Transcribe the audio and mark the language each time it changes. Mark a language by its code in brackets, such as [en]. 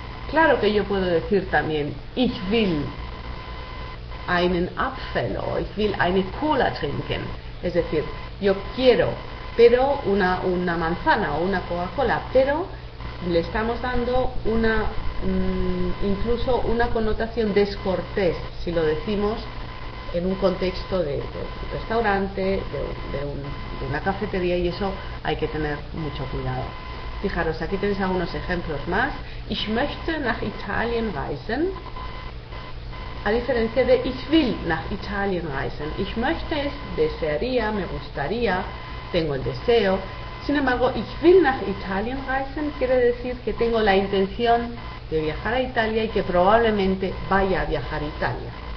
[es] Claro que yo puedo decir también [de] ich will einen Apfel, [es] o [de] ich will eine Cola trinken, [es] es decir, yo quiero, pero una manzana o una Coca-Cola, pero le estamos dando una incluso una connotación descortés si lo decimos en un contexto de un restaurante, de una cafetería, y eso hay que tener mucho cuidado. Fijaros, aquí tenéis algunos ejemplos más. [de] Ich möchte nach Italien reisen. [es] A diferencia de [de] ich will nach Italien reisen. Ich möchte [es] es desearía, me gustaría, tengo el deseo. Sin embargo, [de] ich will nach Italien reisen [es] quiere decir que tengo la intención de viajar a Italia y que probablemente vaya a viajar a Italia.